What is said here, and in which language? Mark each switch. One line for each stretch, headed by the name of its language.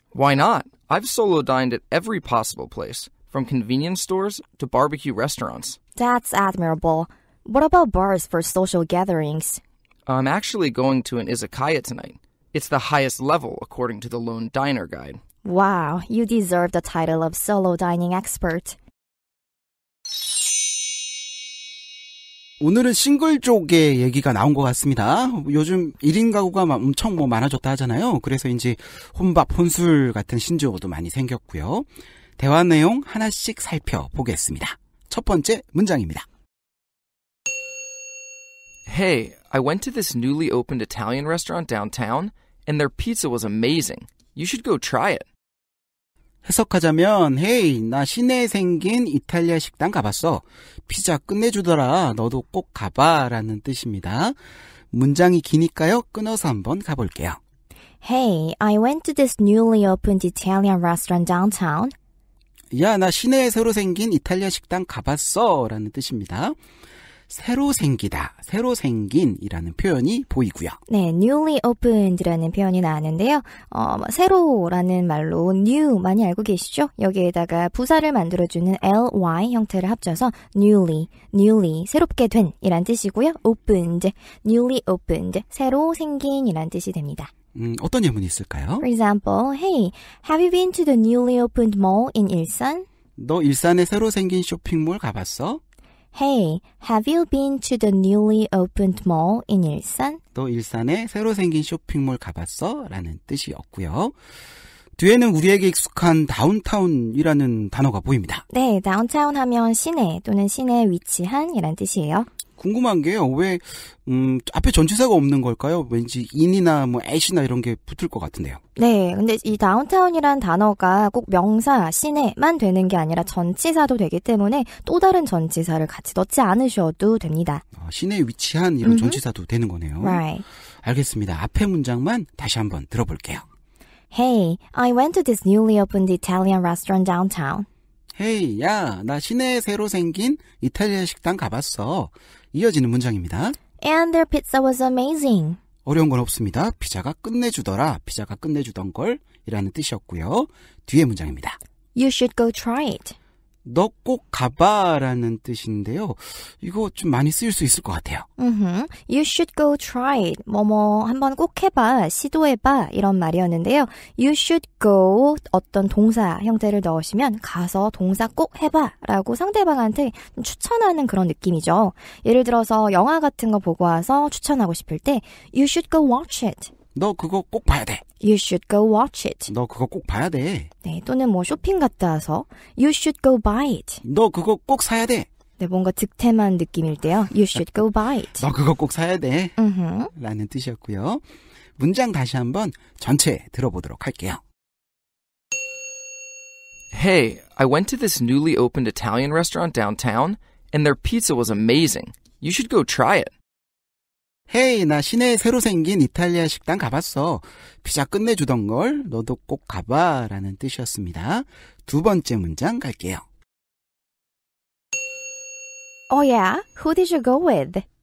English: Why not? I've solo dined at every possible place, from convenience stores to barbecue restaurants. That's admirable. What about bars for social gatherings? I'm actually going to an izakaya tonight. It's the highest level, according to the Lone Diner Guide. Wow, you deserve the title of solo dining expert.
Korean: 오늘은 싱글 쪽의 얘기가 나온 것 같습니다. 요즘 1인 가구가 엄청 뭐 많아졌다 하잖아요. 그래서 이제 혼밥, 혼술 같은 신조어도 많이 생겼고요. 대화 내용 하나씩 살펴보겠습니다. 첫 번째 문장입니다.
English: Hey, I went to this newly opened Italian restaurant downtown, and their pizza was amazing. You should go try it.
Korean: 해석하자면, Hey, 나 시내에 생긴 이탈리아 식당 가봤어. 피자 끝내주더라. 너도 꼭 가봐. 라는 뜻입니다. 문장이 기니까요. 끊어서 한번 가볼게요.
English: Hey, I went to this newly opened Italian restaurant downtown.
Korean: 야, 나 시내에 새로 생긴 이탈리아 식당 가봤어. 라는 뜻입니다. 새로 생기다, 새로 생긴이라는 표현이 보이고요. 네, newly opened라는 표현이 나왔는데요. 새로라는 말로 new 많이 알고 계시죠? 여기에다가 부사를 만들어주는 ly 형태를 합쳐서 newly, 새롭게 된이란 뜻이고요. opened, newly opened, 새로 생긴이란 뜻이 됩니다. 어떤 예문이 있을까요?
English: For example, hey, have you been to the newly opened mall in 일산?
Korean: 너 일산에 새로 생긴 쇼핑몰 가봤어?
English: Hey, have you been to the newly opened mall in 일산?
Korean: 너 일산에 새로 생긴 쇼핑몰 가봤어? 라는 뜻이었고요. 뒤에는 우리에게 익숙한 다운타운이라는 단어가 보입니다. 네, 다운타운 하면 시내 또는 시내에 위치한 이란 뜻이에요. 궁금한 게요. 왜 앞에 전치사가 없는 걸까요? 왠지 in이나 뭐 at이나 이런 게 붙을 것 같은데요. 네. 근데 이 다운타운이란 단어가 꼭 명사, 시내만 되는 게 아니라 전치사도 되기 때문에 또 다른 전치사를 같이 넣지 않으셔도 됩니다. 시내에 위치한 이런 전치사도 되는 거네요.
English: Right.
Korean: 알겠습니다. 앞에 문장만 다시 한번 들어볼게요.
English: Hey, I went to this newly opened Italian restaurant downtown.
Korean: Hey, 야, 나 시내에 새로 생긴 이탈리아 식당 가봤어. 이어지는 문장입니다.
English: And their pizza was amazing.
Korean: 어려운 건 없습니다. 피자가 끝내주더라. 피자가 끝내주던 걸 이라는 뜻이었고요. 뒤에 문장입니다.
English: You should go try it.
Korean: 너 꼭 가봐 라는 뜻인데요. 이거 좀 많이 쓰일 수 있을 것 같아요.
English: Mm-hmm. You should go try it.
Korean: 뭐뭐 한번 꼭 해봐, 시도해봐 이런 말이었는데요.
English: You should go
Korean: 어떤 동사 형태를 넣으시면 가서 동사 꼭 해봐 라고 상대방한테 추천하는 그런 느낌이죠. 예를 들어서 영화 같은 거 보고 와서 추천하고 싶을 때
English: You should go watch it.
Korean: 너 그거 꼭 봐야 돼.
English: You should go watch it.
Korean: 너 그거 꼭 봐야 돼. 네, 또는 뭐 쇼핑 갔다 와서
English: You should go buy it.
Korean: 너 그거 꼭 사야 돼. 네, 뭔가 득템한 느낌일 때요.
English: You should go buy it.
Korean: 너 그거 꼭 사야 돼. 라는 뜻이었고요. 문장 다시 한번 전체 들어보도록 할게요.
English: Hey, I went to this newly opened Italian restaurant downtown and their pizza was amazing. You should go try it.
Korean: Hey, 나 시내에 새로 생긴 이탈리아 식당 가봤어. 피자 끝내주던 걸 너도 꼭 가봐 라는 뜻이었습니다. 두 번째 문장 갈게요.
English: Oh yeah? Who did you go with?